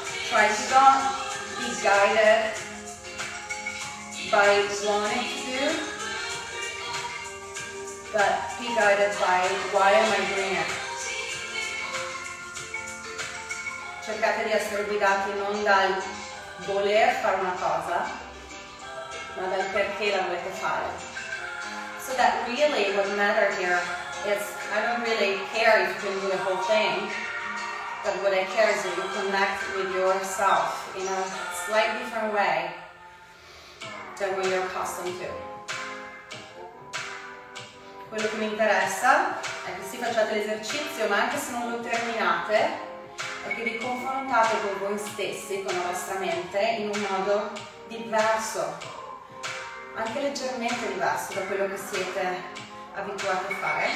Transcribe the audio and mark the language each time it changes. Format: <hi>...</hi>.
<en>Try to not be guided by wanting to, but be guided by why am I doing it.</en> <it>Cercate di essere guidati non dal voler fare una cosa, ma dal perché la volete fare.</it> <en>So that really what matters here is I don't really care if you can do the whole thing. But what I care is that you connect with yourself in a slightly different way than what you're accustomed to.</en> <it>Quello che mi interessa è che si facciate l'esercizio, ma anche se non lo terminate, è che vi confrontate con voi stessi, con la vostra mente, in un modo diverso, anche leggermente diverso da quello che siete abituati a fare.</it>